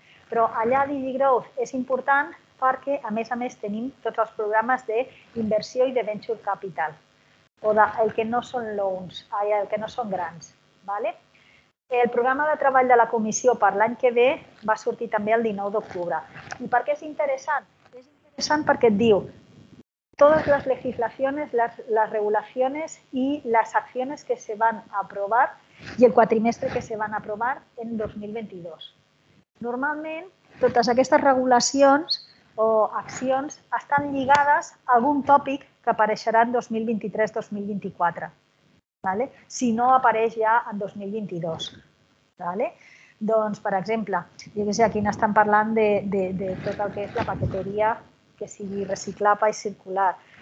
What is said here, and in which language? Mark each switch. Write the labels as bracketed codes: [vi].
[ca] Però allà DigiGrowth és important perquè, a més, tenim tots els programes d'inversió i de venture capital, o el que no són loans, el que no són grans. ¿Vale? El programa de treball de la comissió per l'any que ve va sortir també el 19 d'octubre. I per què és interessant? És interessant perquè et diu [es] todas las legislaciones, las regulaciones y las acciones que se van a aprobar y el cuatrimestre que se van a aprovar en 2022. [ca] Normalment, totes aquestes regulacions o accions estan lligades a algun tòpic que apareixerà en 2023-2024, ¿vale? Si no apareix ja en 2022. ¿Vale? Doncs, per exemple, jo que sé, aquí n'estan parlant de tot el que és la paqueteria que sigui reciclable i circular.